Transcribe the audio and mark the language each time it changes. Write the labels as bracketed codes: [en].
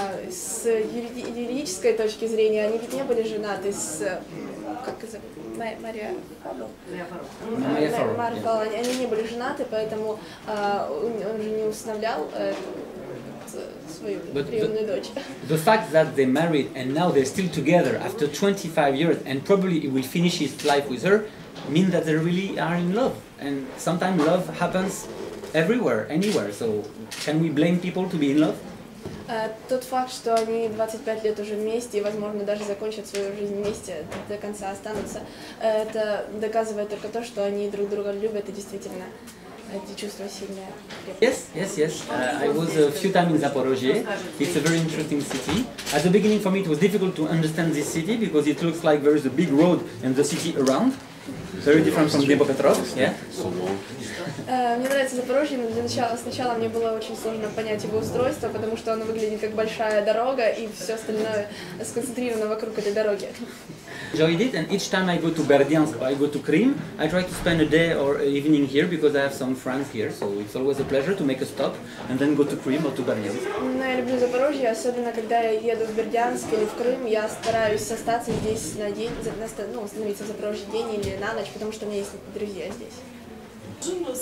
[ru] С юридической точки зрения, они ведь не были женаты с... Как это? Мария Фаро. Мария Фаро, они не были женаты, поэтому он же не усыновлял свою приемную дочь. [en] The fact that they married and now they're still together after 25 years and probably he will finish his life with her, mean that they really are in love, and sometimes love happens everywhere, anywhere. So can we blame people to be in love? [ru] Тот факт, что они 25 лет уже вместе и, возможно, даже закончат свою жизнь вместе, до конца останутся, это доказывает только то, что они друг друга любят, и действительно эти чувства сильные. [en] Yes. I was a few times in Запорожье. It's a very interesting city. At the beginning, for me, it was difficult to understand this city because it looks like there is a big road and the city around. Very different from Днепропетровск, yeah? [ru] Мне нравится Запорожье, но сначала мне было очень сложно понять его устройство, потому что оно выглядит как большая дорога, и все остальное сконцентрировано вокруг этой дороги. [en] Enjoyed it, and each time I go to Berdyansk or I go to Krim, I try to spend a day or an evening here because I have some friends here, so it's always a pleasure to make a stop and then go to Krim or to Berdyansk. [ru] Но я люблю Запорожье, особенно когда я еду в Бердянск или в Крым, я стараюсь остаться здесь на день, остановиться в Запорожье день или на ночь, потому что у меня есть друзья здесь.